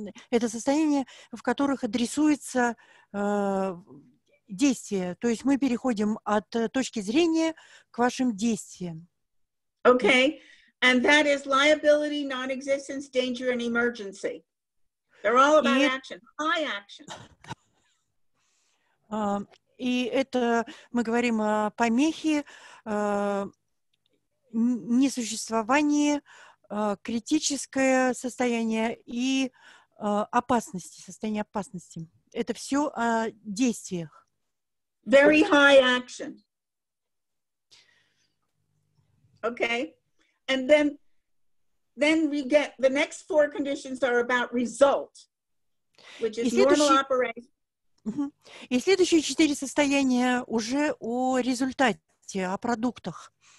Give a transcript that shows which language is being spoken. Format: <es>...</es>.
<ru>Это состояние, в которых адресуется действие. То есть мы переходим от точки зрения к вашим действиям.</ru> <en>Okay. And that is liability, non-existence, danger, and emergency. They're all about action. High action.</en> <ru>И это мы говорим о помехе, несуществовании, критическое состояние и опасности, состояние опасности. Это все о действиях.</ru> <en>Very high action. Okay. And then we get the next four conditions are about result, which is normal operation.</en> <ru>И следующие четыре состояния уже о результате, о продуктах.</ru>